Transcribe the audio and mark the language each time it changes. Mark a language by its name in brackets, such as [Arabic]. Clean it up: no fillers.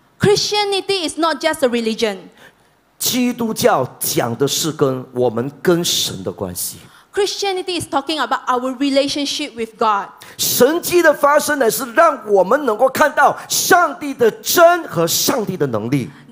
[English] Christianity is not just a religion. [Chinese] 基督教讲的是跟我们跟神的关系。 [English] Christianity is talking about our relationship with God. [Chinese] 神迹的发生乃是让我们能够看到上帝的真和上帝的能力。